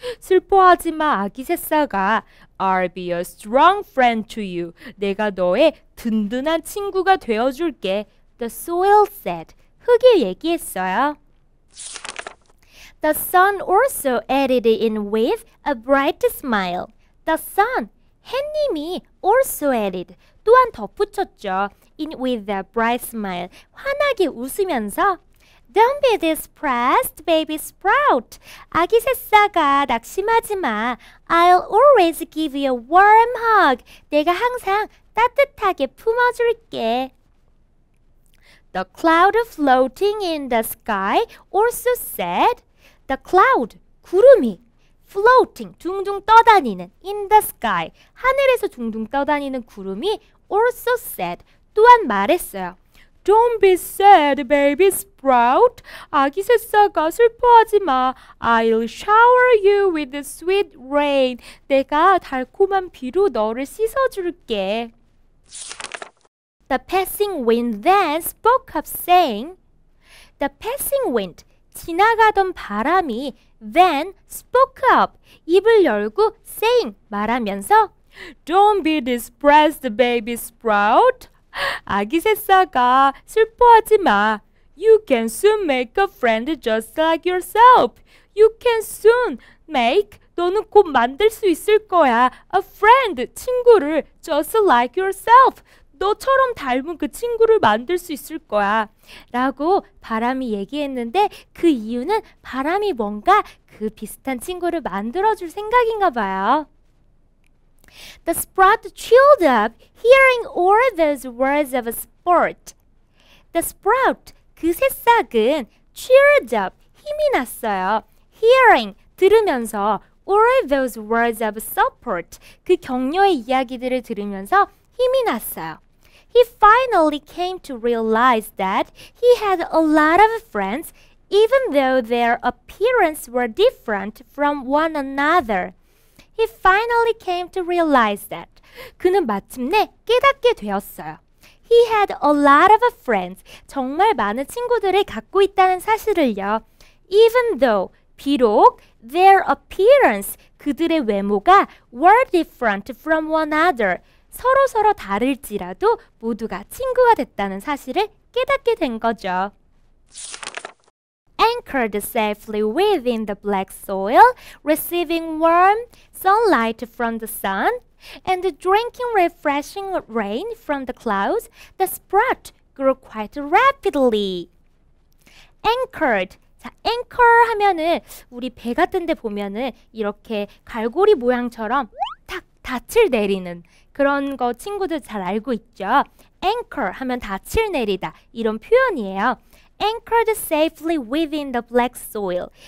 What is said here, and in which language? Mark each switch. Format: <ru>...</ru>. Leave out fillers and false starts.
<ko>슬퍼하지 마, 아기 새싹아.</ko> <en>I'll be a strong friend to you.</en> <ko>내가 너의 든든한 친구가 되어줄게.</ko> <en>The soil said.</en> <ko>흙이 얘기했어요.</ko> <en>The sun also added in with a bright smile. The sun,</en> <ko>해님이</ko> <en>also added,</en> <ko>또한 덧붙였죠.</ko> <en>In with a bright smile,</en> <ko>환하게 웃으면서</ko> <en>Don't be depressed, baby sprout.</en> <ko>아기 새싹아, 낙심하지 마.</ko> <en>I'll always give you a warm hug.</en> <ko>내가 항상 따뜻하게 품어줄게.</ko> <en>The cloud floating in the sky also said, The cloud,</en> <ko>구름이,</ko> <en>floating,</en> <ko>둥둥 떠다니는,</ko> <en>in the sky,</en> <ko>하늘에서 둥둥 떠다니는 구름이</ko> <en>also said,</en> <ko>또한 말했어요.</ko> <en>Don't be sad, baby sprout.</en> <ko>아기 새싹아, 슬퍼하지 마.</ko> <en>I'll shower you with the sweet rain.</en> <ko>내가 달콤한 비로 너를 씻어줄게.</ko> <en>The passing wind then spoke up, saying, The passing wind,</en> <ko>지나가던 바람이</ko> <en>then spoke up,</en> <ko>입을 열고</ko> <en>saying,</en> <ko>말하면서</ko> <en>Don't be depressed, baby sprout.</en> <ko>아기 새싹아, 슬퍼하지 마.</ko> <en>You can soon make a friend just like yourself. You can soon make,</en> <ko>너는 곧 만들 수 있을 거야.</ko> <en>A friend,</en> <ko>친구를</ko> <en>just like yourself.</en> <ko>너처럼 닮은 그 친구를 만들 수 있을 거야. 라고 바람이 얘기했는데 그 이유는 바람이 뭔가 그 비슷한 친구를 만들어줄 생각인가 봐요.</ko> <en>The sprout chilled up hearing all those words of a sport. The sprout,</en> <ko>그 새싹은</ko> <en>chilled up,</en> <ko>힘이 났어요.</ko> <en>Hearing,</en> <ko>들으면서</ko> <en>all those words of support,</en> <ko>그 격려의 이야기들을 들으면서 힘이 났어요.</ko> <en>He finally came to realize that he had a lot of friends, even though their appearance were different from one another. He finally came to realize that.</en> <ko>그는 마침내 깨닫게 되었어요.</ko> <en>He had a lot of friends.</en> <ko>정말 많은 친구들을 갖고 있다는 사실을요.</ko> <en>Even though,</en> <ko>비록</ko> <en>their appearance,</en> <ko>그들의 외모가 were different from one another. 서로서로 다를지라도 모두가 친구가 됐다는 사실을 깨닫게 된 거죠.</ko> <en>Anchored safely within the black soil, receiving warm sunlight from the sun, and drinking refreshing rain from the clouds, the sprout grew quite rapidly. Anchored.</en> <ko>자, anchor 하면은 우리 배 같은 데 보면은 이렇게 갈고리 모양처럼 탁 닻을 내리는 그런 거 친구들 잘 알고 있죠. Anchor 하면 닻을 내리다 이런 표현이에요.</ko> <en>Anchored safely within the black soil.</en>